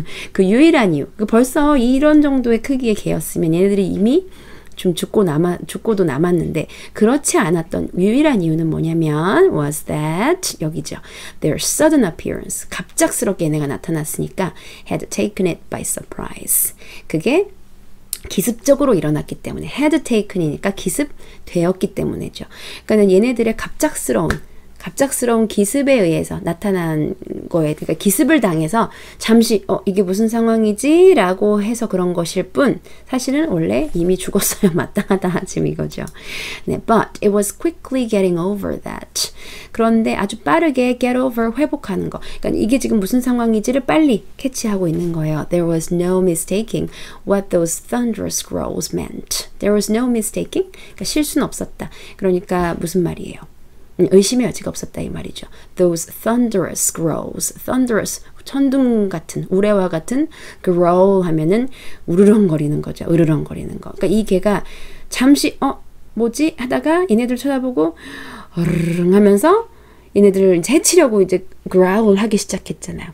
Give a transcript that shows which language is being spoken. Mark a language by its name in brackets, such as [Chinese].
[Korean] 그 유일한 이유 그 벌써 이런 정도의 크기의 개였으면 얘네들이 이미 좀 죽고도 남았는데 그렇지 않았던 유일한 이유는 뭐냐면 [English] was that [Korean] 여기죠 [English] their sudden appearance [Korean] 갑작스럽게 얘네가 나타났으니까 [English] had taken it by surprise [Korean] 그게 기습적으로 일어났기 때문에 had taken이니까 기습되었기 때문에죠. 그러니까 얘네들의 갑작스러운 기습에 의해서 나타난 거에 그러니까 기습을 당해서 잠시 이게 무슨 상황이지? 라고 해서 그런 것일 뿐 사실은 원래 이미 죽었어야 마땅하다 지금 이거죠. [English] 네, but it was quickly getting over that. [Korean] 그런데 아주 빠르게 get over 회복하는 거. 그러니까 이게 지금 무슨 상황인지를 빨리 캐치하고 있는 거예요. [English] There was no mistaking what those thunderous growls meant. There was no mistaking. [Korean] 그러니까 실수는 없었다. 그러니까 무슨 말이에요? 의심의 여지가 없었다 이 말이죠. [English] Those thunderous growls. Thunderous, [Korean] 천둥 같은, 우레와 같은 growl 하면은 우르렁거리는 거죠. 우르렁거리는 거. 그러니까 이 개가 잠시 뭐지? 하다가 얘네들 쳐다보고 으르렁 하면서 얘네들을 이제 해치려고 이제 growl 하기 시작했잖아요.